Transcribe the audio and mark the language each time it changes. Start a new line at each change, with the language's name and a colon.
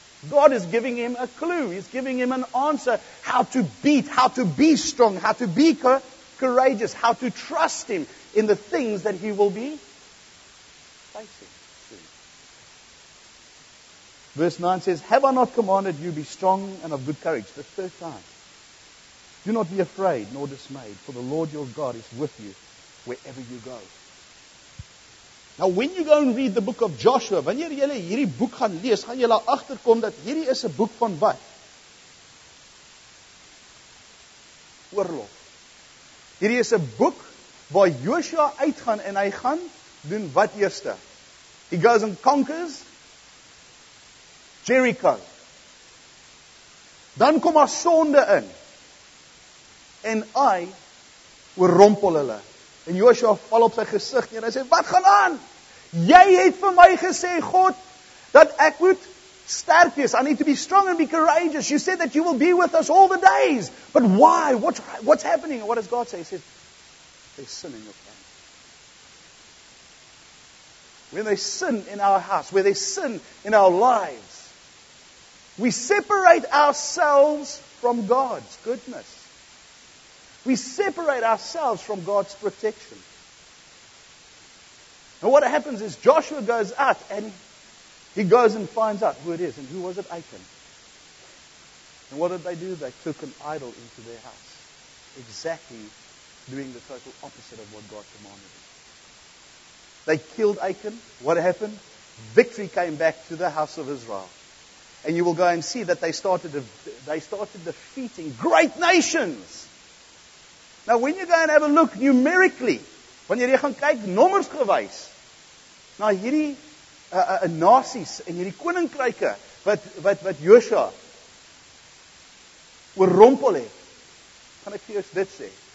English: God is giving him a clue. He's giving him an answer. How to beat, how to be strong, how to be courageous, how to trust him in the things that he will be facing. Verse 9 says, "Have I not commanded you, be strong and of good courage?" The third time. "Do not be afraid nor dismayed, for the Lord your God is with you wherever you go." Now when you go and read the book of Joshua,
Afrikaans: wanneer jy hierdie boek gaan lees, gaan jy agterkom dat hierdie is 'n boek van wat? Oorlog. Hierdie is 'n boek waar Joshua uitgaan en hy gaan doen wat eerste?
English: He goes and conquers Jericho.
Afrikaans: Dan kom haar sonde in. En hy oorrompel hulle. En Joshua val op sy gesig en hy sê, "Wat gaan aan? Jy het vir my gesê, God, dat ek moet sterk wees.
English: I need to be strong and be courageous. You said that you will be with us all the days. But why? What's happening?" And what does God say? He says, "There's sin in your family." When there's sin in our house, where there's sin in our lives, we separate ourselves from God's goodness. We separate ourselves from God's protection. And what happens is Joshua goes out and he goes and finds out who it is. And who was it? Achan. And what did they do? They took an idol into their house. Exactly doing the total opposite of what God commanded them. They killed Achan. What happened? Victory came back to the house of Israel. And you will go and see that they started defeating great nations. Now when you go and have a look numerically,
Afrikaans: wanneer jy gaan kyk nommersgewys, na hierdie nasies en hierdie koninkryke wat Joshua oorrompel het, kan ek vir jou dit sê.